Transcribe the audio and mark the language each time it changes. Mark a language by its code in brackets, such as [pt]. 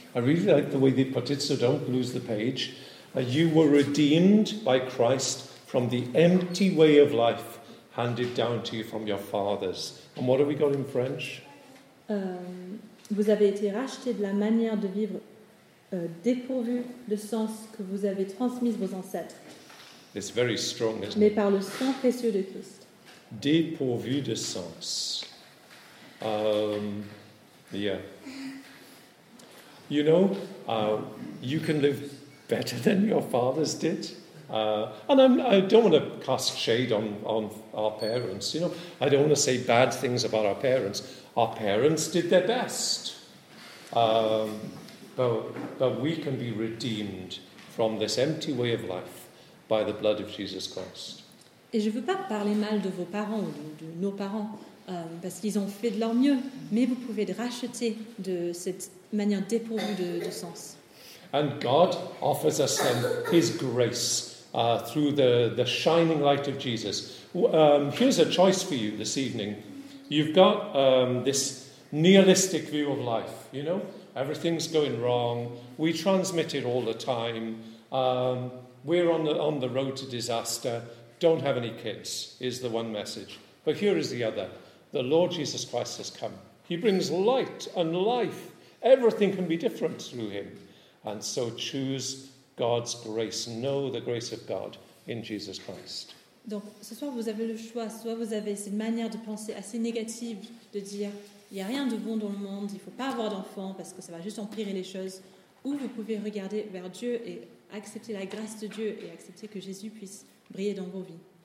[en] I really like the way they put it, so don't lose the page. You were redeemed by Christ from the empty way of life handed down to you from your fathers. And what have we got in French? [fr] Vous avez été racheté de la manière de vivre dépourvue de sens que vous avez transmise vos ancêtres. [en] It's very strong, isn't it? [fr] Mais par le sang précieux de Christ. Dépourvu de sens. [en] Yeah. You know, you can live better than your fathers did. And I don't want to cast shade on our parents, you know. I don't want to say bad things about our parents. Our parents did their best. But we can be redeemed from this empty way of life by the blood of Jesus Christ. [fr] Et je ne veux pas parler mal de vos parents ou de nos parents, parce qu'ils ont fait de leur mieux, mais vous pouvez être rachetés de cette manière dépourvue de sens. [en] And God offers us then his grace. Through the shining light of Jesus. Here's a choice for you this evening. You've got this nihilistic view of life, you know? Everything's going wrong. We transmit it all the time. We're on the road to disaster. Don't have any kids is the one message. But here is the other. The Lord Jesus Christ has come. He brings light and life. Everything can be different through him. And so choose God's grace, know the grace of God in Jesus Christ. [fr] Donc ce soir vous avez le choix, soit vous avez cette manière de penser assez négative, de dire il n'y a rien de bon dans le monde, il ne faut pas avoir d'enfants parce que ça va juste empirer les choses, ou vous pouvez regarder vers Dieu et accepter la grâce de Dieu et accepter que Jésus puisse briller dans vos vies.